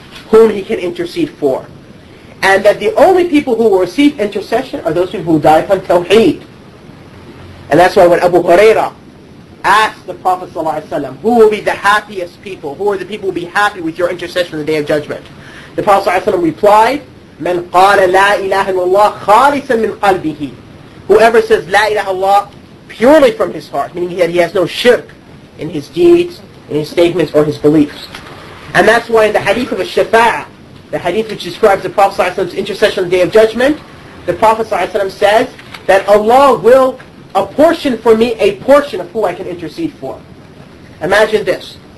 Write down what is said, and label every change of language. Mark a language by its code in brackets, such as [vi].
[en] Whom he can intercede for. And that the only people who will receive intercession are those people who die upon tawheed. And that's why when Abu Huraira asked the Prophet ﷺ, who will be the happiest people? Who are the people who will be happy with your intercession on the Day of Judgment? The Prophet ﷺ replied, [ar] مَنْ قَالَ لَا إِلَهَ إِلَّا خَالِصًا مِنْ قَلْبِهِ. [en] Whoever says La ilaha illallah purely from his heart, meaning that he has no shirk in his deeds, in his statements, or his beliefs. And that's why in the hadith of a shafa'ah, the hadith which describes the Prophet's intercession on the Day of Judgment, the Prophet ﷺ says that Allah will apportion for me a portion of who I can intercede for. Imagine this.